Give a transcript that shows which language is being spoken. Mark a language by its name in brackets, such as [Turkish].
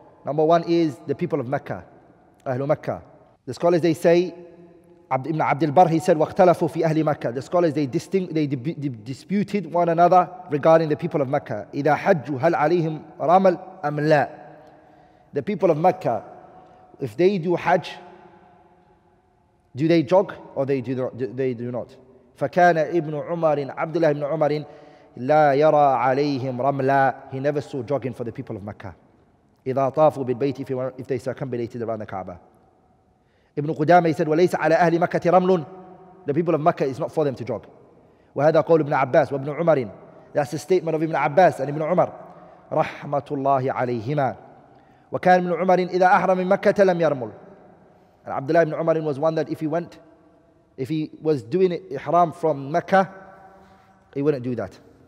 [English] Number one is the people of Mecca, Ahlul Mecca. The scholars, they say, Ibn Abd al-Barr, he said, [Arabic] وَاخْتَلَفُوا فِي أَهْلِ مَكَّةِ [English] The scholars, they disputed one another regarding the people of Mecca. [Arabic] إِذَا حَجُّوا هَلْ عَلَيْهِمْ رَمَلْ أَمْ لَا [English] The people of Mecca, if they do Hajj, do they jog or they do not? [Arabic] فَكَانَ إِبْنُ عُمَرٍ عَبْدُ اللَّهِ بْنُ عُمَرٍ لَا يَرَى عَلَيْهِمْ رَمْلَا [English] He never saw jogging for the people of Mecca. [Arabic] إِذَا طَافُوا بِالْبَيْتِ [English] if they circumambulated around the Kaaba. Ibn Qudama, he said, [Arabic] وَلَيْسَ عَلَىٰ أَهْلِ مَكَّةِ رَمْلٌ [English] The people of Mecca, is not for them to jog. [Arabic] وَهَذَا قَوْلُ [English] Ibn Abbas وَابْنُ عُمَرٍ That's the statement of Ibn Abbas and Ibn Umar. [Arabic] رَحْمَةُ اللَّهِ عَلَيْهِمَا وَكَانَ [English] Ibn [Arabic] عُمَرٍ إِذَا أَحْرَمَ مِنْ مَكَّةَ لَمْ يَرْمُلْ [English] And Abdullah ibn Umar was one that if he was doing ihram from Mecca, he wouldn't do that.